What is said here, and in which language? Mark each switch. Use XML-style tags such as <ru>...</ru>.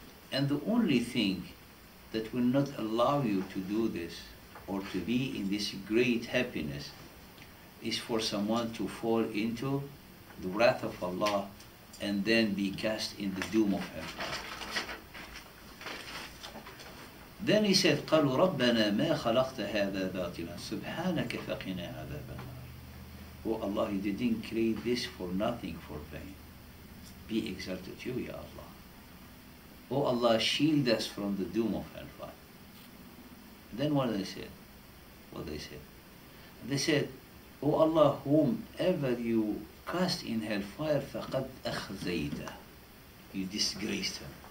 <en>And the only thing that will not allow you to do this or to be in this great happiness is for someone to fall into the wrath of Allah and then be cast in the doom of hell. Then he said,</en> <ar>قَالُوا رَبَّنَا مَا خَلَقْتَ هَذَا بَاطِلًا سُبْحَانَكَ فَقِنَا عَذَابَ النَّارِ.</ar> <en>Oh Allah, you didn't create this for nothing, for vain. Be exalted to you, Ya Allah. Oh Allah, shield us from the doom of hell. Then what they said? What they said? They said, Oh Allah, whomever you cast in hellfire,</en> <ar>فَقَدْ أَخْزَيْتَ,</ar> <en>you disgraced him.</en>